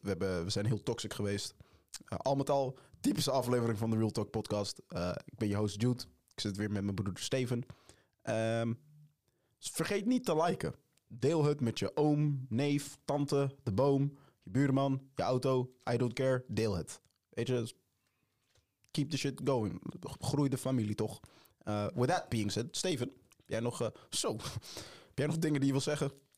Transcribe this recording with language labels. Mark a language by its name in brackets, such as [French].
[Dutch] We zijn heel toxic geweest. Al met al, typische aflevering van de Real Talk podcast. Ik ben je host Jude. Ik zit weer met mijn broer Steven. Vergeet niet te liken. Deel het met je oom, neef, tante, de boom... Je buurman, je auto, [English] I don't care, [Dutch] deel het. Weet je, [English] keep the shit going. [Dutch] Groei de familie toch. [English] With that being said, Steven, [Dutch] Heb jij nog, heb jij nog dingen die je wil zeggen?